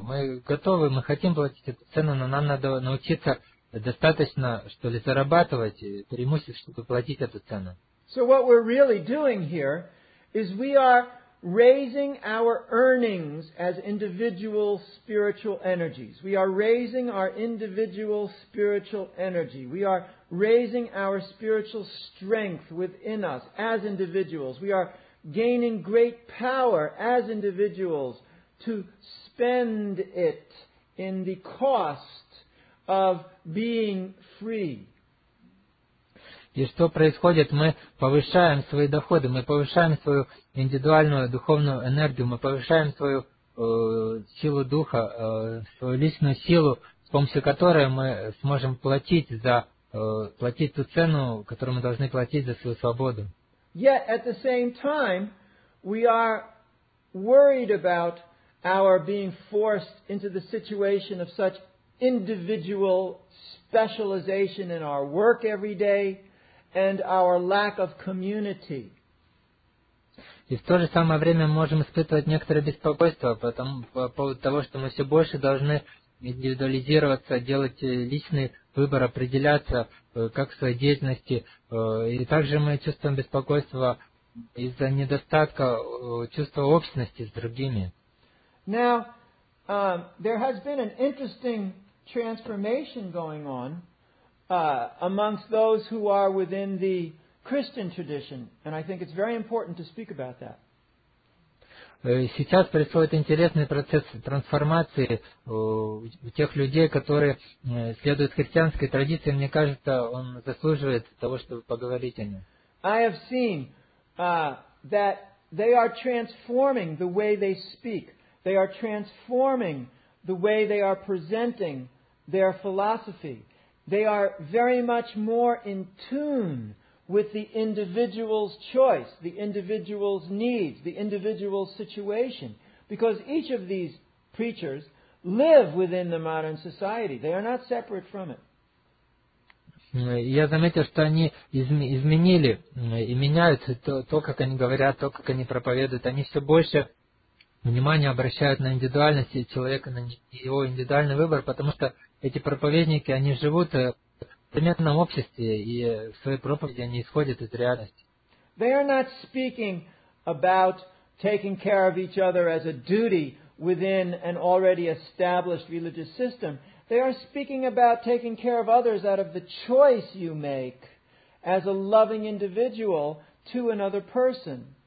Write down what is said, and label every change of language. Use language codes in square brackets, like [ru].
[ru] Мы готовы, мы хотим платить эту цену, но нам надо научиться достаточно, что ли, зарабатывать преимуществ, чтобы платить эту цену. [en] So what we're really doing here is we are raising our earnings as individual spiritual energies. We are raising our individual spiritual energy. We are raising our spiritual strength within us as individuals. We are gaining great power as individuals to spend it in the cost of being free. [ru] И что происходит? Мы повышаем свои доходы, мы повышаем свою индивидуальную духовную энергию, мы повышаем свою силу духа, свою личную силу, с помощью которой мы сможем платить ту цену, которую мы должны платить за свою свободу. [en] Yet at the same time, we are worried about our being forced into the situation of such individual specialization in our work every day. And our lack of community. [ru] И в то же самое время мы можем испытывать некоторое беспокойство по поводу того, что мы все больше должны индивидуализироваться, делать личный выбор, определяться как в своей деятельности. И также мы чувствуем беспокойство из-за недостатка чувства общности с другими. [en] Now, there has been an interesting transformation going on. Amongst those who are within the Christian tradition, and I think it's very important to speak about that. [ru] Сейчас происходит интересный процесс трансформации у тех людей, которые следуют христианской традиции. Мне кажется, он заслуживает того, чтобы поговорить о нем. [en] I have seen that they are transforming the way they speak. They are transforming the way they are presenting their philosophy. They are very much more in tune with the individual's choice, the individual's needs, the individual's situation. Because each of these preachers live within the modern society. They are not separate from it. [ru] Я заметил, что они изменили и меняют то, как они говорят, то, как они проповедуют. Они все больше внимания обращают на индивидуальность человека, на его индивидуальный выбор, потому что эти проповедники, они живут в примерном обществе, и в своей проповеди они исходят из реальности. [en] They are not speaking about taking care of each other as a duty within an already established religious system. They are speaking about taking care of others out of the choice you make as a loving individual to another person.